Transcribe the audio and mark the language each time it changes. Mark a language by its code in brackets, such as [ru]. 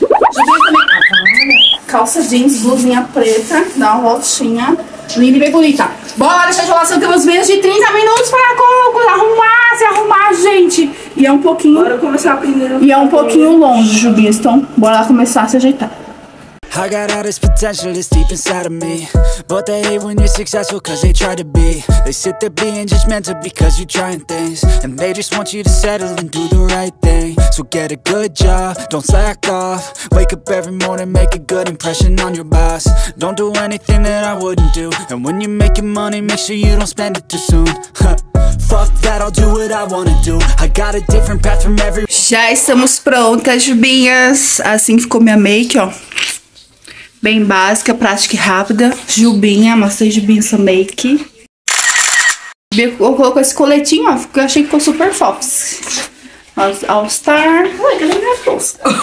[pt] Jubinha também. Calça jeans, blusinha preta. Dá uma voltinha. Linda e bem bonita. Bora lá deixar de enrolação. Temos menos de 30 minutos para arrumar, se arrumar, gente. E é um pouquinho... Bora começar primeiro. E é um pouquinho longe, Jubinha. Então, bora lá começar a se ajeitar. [en] I got all this potential that's deep inside of me. But they hate when you're successful cause they try to be. They sit there being judgmental because you're trying things. And they just want you to settle and do the right thing. So get a good job, don't slack off. Wake up every morning, make a good impression on your boss. Don't do anything that I wouldn't do. And when you're making money, make sure you don't spend it too soon. Fuck that, I'll do what I wanna do. I got a different path from every... [pt] Já estamos prontas, Jubinhas. Assim ficou minha make, ó. Bem básica, prática e rápida. Jubinha, mostrei Jubinha essa make. Eu coloco esse coletinho, ó, que eu achei que ficou super fofo. All Star. Ué, cadê minha bolsa?